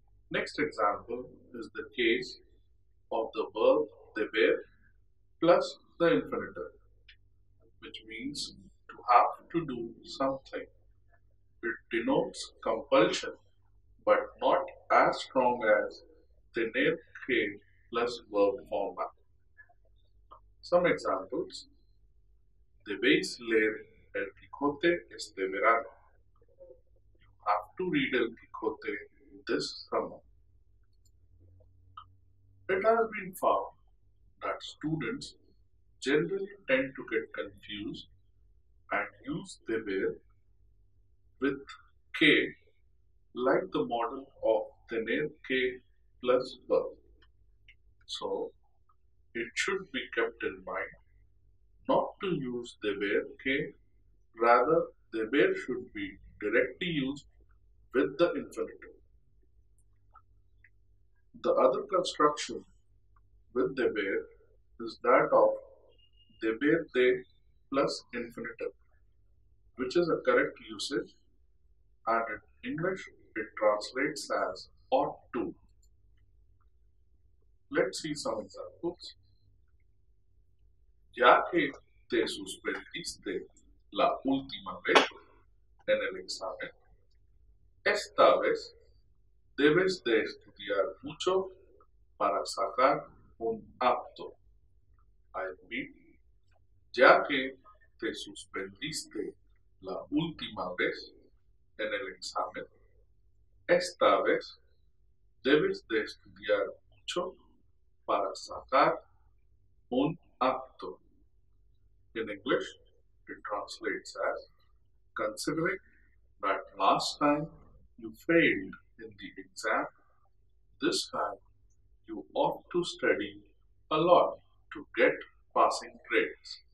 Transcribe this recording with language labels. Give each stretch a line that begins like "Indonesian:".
English: Next example is the case of the verb deber plus the infinitive, which means to have to do something. It denotes compulsion, but not as strong as tener que plus verb format. Some examples:
Spanish: debes leer el Quijote este verano.
English: Have to read El Quijote this summer. It has been found that students generally tend to get confused and use deber with que, like the model of tener que plus verb. So, it should be kept in mind not to use deber que, rather deber should be directly used with the infinitive. The other construction with deber is that of deber de plus infinitive, which is a correct usage, and in English it translates as ought to. Let's see some examples.
Spanish: Ya que te suspendiste la última vez en el examen, esta vez debes de estudiar mucho para sacar un apto.
English: I mean,
Spanish: ya que te suspendiste la última vez en el examen, esta vez debes de estudiar mucho para sacar un apto.
English: In English, it translates as considering that last time you failed in the exam, this time you ought to study a lot to get passing grades.